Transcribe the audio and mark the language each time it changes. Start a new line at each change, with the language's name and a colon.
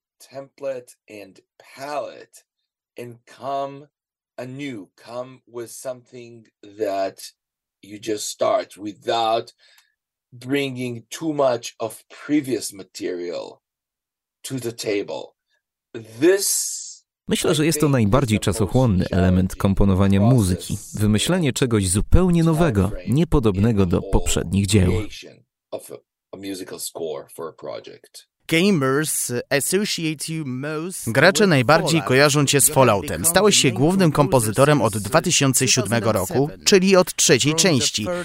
English: Template and palette and come anew, come with something that you just start without bringing too much of previous material to the table. This.
Polish: Myślę, że jest to najbardziej czasochłonny element komponowania muzyki. Wymyślenie czegoś zupełnie nowego, niepodobnego do poprzednich dzieł.
English: A musical score for a project. Gamers associate you most.
Polish: Gracze najbardziej kojarzą cię z Falloutem. Stałeś się głównym kompozytorem od 2007 roku, czyli od trzeciej części.